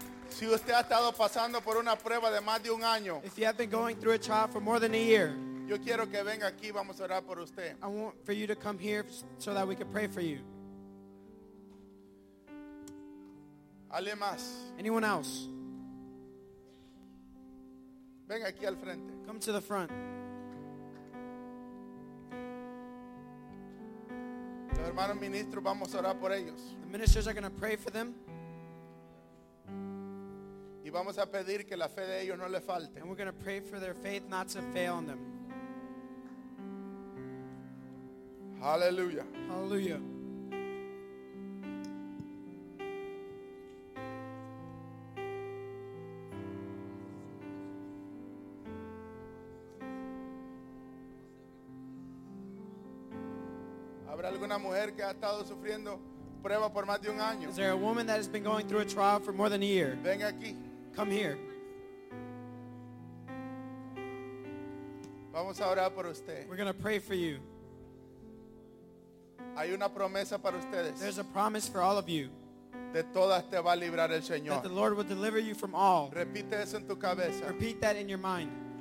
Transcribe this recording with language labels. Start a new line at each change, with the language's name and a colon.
Spanish: Si usted ha estado pasando por una prueba de más de un año,
English: if you have been going through a trial for more than a year,
Spanish: yo quiero que venga aquí, vamos a orar por usted.
English: I want for you to come here so that we can pray for you.
Spanish: ¿Alguien más?
English: Anyone else?
Spanish: Venga aquí al frente.
English: Come to the front.
Spanish: Los hermanos ministros, vamos a orar por ellos.
English: The ministers are going to pray for them.
Spanish: Y vamos a pedir que la fe de ellos no le falte.
English: And we're going to pray for their faith not to fail on them. Hallelujah. Hallelujah.
Spanish: Una mujer que ha estado sufriendo prueba por más de un año.
English: Is there a woman that has been going through a trial for more than a year?
Spanish: Venga aquí.
English: Come here.
Spanish: Vamos a orar por usted.
English: We're going to pray for you.
Spanish: Hay una promesa para ustedes.
English: There's a promise for all of you.
Spanish: De todas te va a librar el Señor.
English: That the Lord will deliver you from all.
Spanish: Repite eso en tu cabeza.
English: Repeat that in your mind.